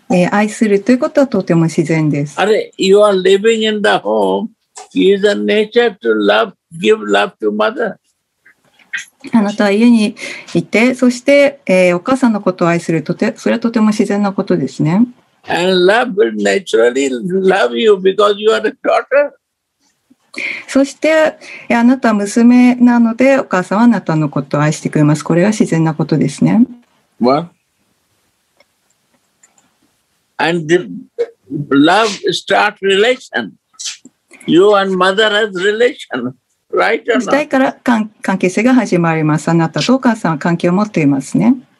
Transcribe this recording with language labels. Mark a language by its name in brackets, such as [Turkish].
[Japanese] 愛するということはとても自然です。 [English] あれ、you are living in the home. It is a nature to love, give love to mother. [Japanese] あなたは家にいて、そして、お母さんのことを愛する、それはとても自然なことですね。 [English] And love will naturally love you because you are a daughter. [Japanese] そして、あなたは娘なので、お母さんはあなたのことを愛してくれます。これは自然なことですね。 [English] What? And the love start relation. You and mother has relation, right or not? [Japanese] 時代から関係性が始まります。あなたとお母さんは関係を持っていますね。